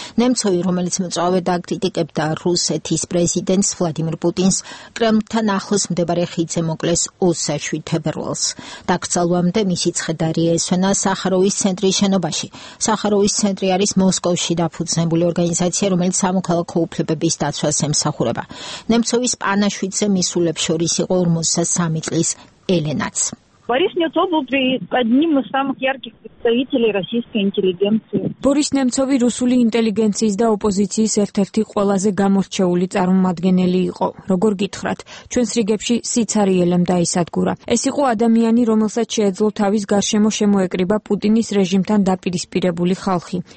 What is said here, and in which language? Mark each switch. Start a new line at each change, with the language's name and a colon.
Georgian: ნემცოვი, რომელიც მოწვევე დაკრიტიკებდა რუსეთის პრეზიდენტს ვლადიმერ პუტინს, კრემლთან ახლოს მდებარე ხიდზე მოკლეს 27 თებერვალს. დაკრძალვამდე მისი ციხე დაიესვენა სახაროვის ცენტრის შენობაში. სახაროვის ცენტრი არის მოსკოვში დაფუძნებული ორგანიზაცია, რომელიც სამოქალაქო უფლებების დაცვას ემსახურება. Немцовის პანაშვიძე მისულებს შორის იყო 53 წლის ელენაც.
Russian: Борис Немцов был одним из самых ярких представителей российской интеллигенции.
Georgian: Борис Немцов и русული ინტელიგენციის და ოპოზიციის ერთ-ერთი ყველაზე გამორჩეული წარმომადგენელი იყო. როგორ გითხრათ, ჩვენს რიგებში სიცარიელემ დაისადგურა. ეს იყო ადამიანი, რომელსაც შეეძლო თავის გარშემო შემოეკრიბა პუტინის რეჟიმთან დაპირისპირებული ხალხი.